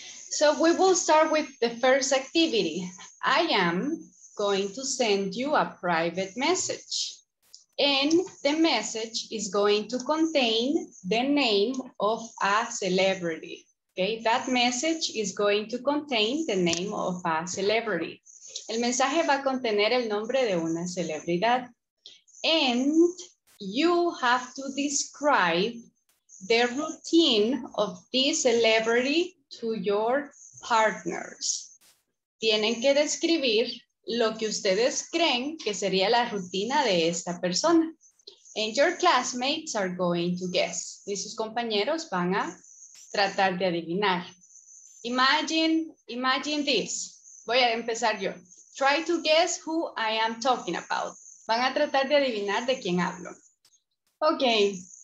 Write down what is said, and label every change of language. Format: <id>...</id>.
<en>So we will start with the first activity. I am going to send you a private message. And the message is going to contain the name of a celebrity. Okay, that message is going to contain the name of a celebrity.</en> <es>El mensaje va a contener el nombre de una celebridad.</es> <en>And you have to describe the routine of this celebrity to your partners.</en> <es>Tienen que describir lo que ustedes creen que sería la rutina de esta persona.</es> <en>And your classmates are going to guess.</en> <es>Y sus compañeros van a tratar de adivinar.</es> <en>Imagine this.</en> <es>Voy a empezar yo.</es> <en>Try to guess who I am talking about.</en> <es>Van a tratar de adivinar de quién hablo. Okay.</es>